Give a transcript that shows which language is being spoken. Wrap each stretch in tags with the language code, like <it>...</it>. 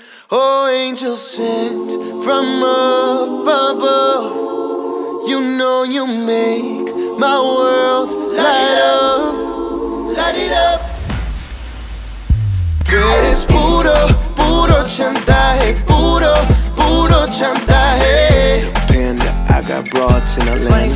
<en>Oh, angel sent from up above, you know you make my world light up, light it up.</en> <es>Eres puro, puro chantaje, puro, puro chantaje.</es> <en>Panda, I got broads in Atlanta.</en>